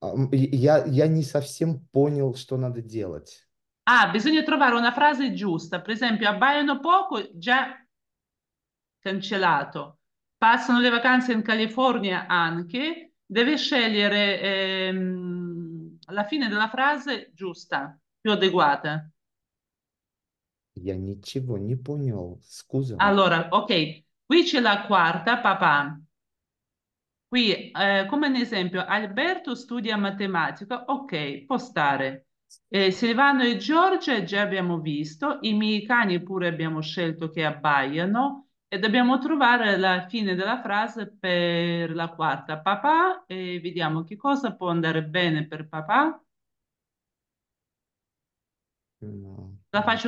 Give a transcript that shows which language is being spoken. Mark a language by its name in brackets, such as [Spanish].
[Russian] Я не совсем понял, что надо делать. [Italian] Ah, bisogna trovare una frase giusta. Per esempio, abbaiano poco, già cancellato. Passano le vacanze in California anche. Deve scegliere la fine della frase giusta, più adeguata. [Russian] Я ничего не понял, scusa. [Italian] Allora, ok, qui c'è la quarta, papà. Qui, come un esempio, Alberto studia matematica, ok, può stare. Silvano e Giorgio già abbiamo visto, i miei cani pure abbiamo scelto che abbaiano e dobbiamo trovare la fine della frase per la quarta, papà, e vediamo che cosa può andare bene per papà. La faccio